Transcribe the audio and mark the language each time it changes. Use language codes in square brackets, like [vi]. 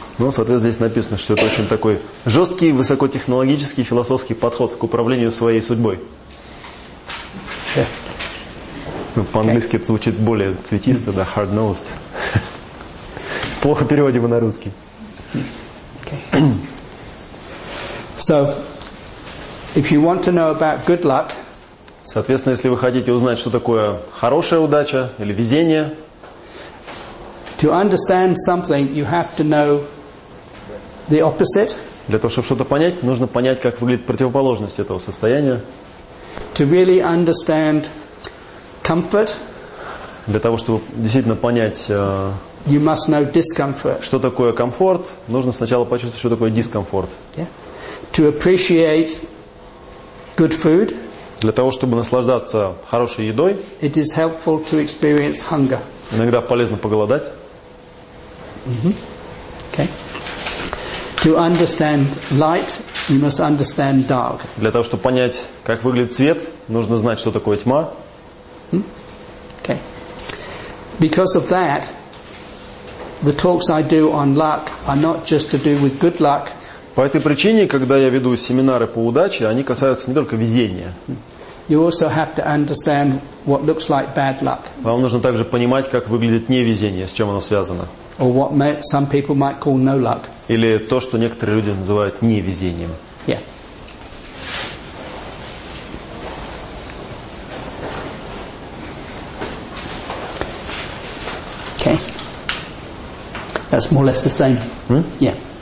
[ru] Ну, соответственно, здесь написано, что это очень такой жесткий, высокотехнологический, философский подход к управлению своей судьбой. [en] Yeah. [ru] По-английски это звучит более цветисто, да, hard-nosed. Плохо переводим на русский. [en] Okay. So, if you want to know about good luck, [ru] соответственно, если вы хотите узнать, что такое хорошая удача или везение, [en] to understand something, you have to know the opposite. [ru] Для того, чтобы что-то понять, нужно понять, как выглядит противоположность этого состояния. [en] To really understand comfort. [ru] Для того, чтобы действительно понять, [en] you must know discomfort. [ru] Что такое комфорт, нужно сначала почувствовать, что такое дискомфорт. [en] Yeah. To appreciate good food. [ru] Для того, чтобы наслаждаться хорошей едой. [en] It is helpful to experience hunger. [ru] Иногда полезно поголодать. [en] Mm-hmm. Okay. To understand light, you must understand dark. [ru] Для того, чтобы понять, как выглядит свет, нужно знать, что такое тьма. [en] Hmm? Okay. Because of that, the talks I do on luck are not just to do with good luck. [ru] По этой причине, когда я веду семинары по удаче, они касаются не только везения. [en] You also have to understand what looks like bad luck. [ru] Вам нужно также понимать, как выглядит невезение, с чем оно связано. [en] Or what some people might call no luck. [ru] Или то, что некоторые люди называют невезением. [en] Yeah. That's more or less the same. Hmm? Yeah.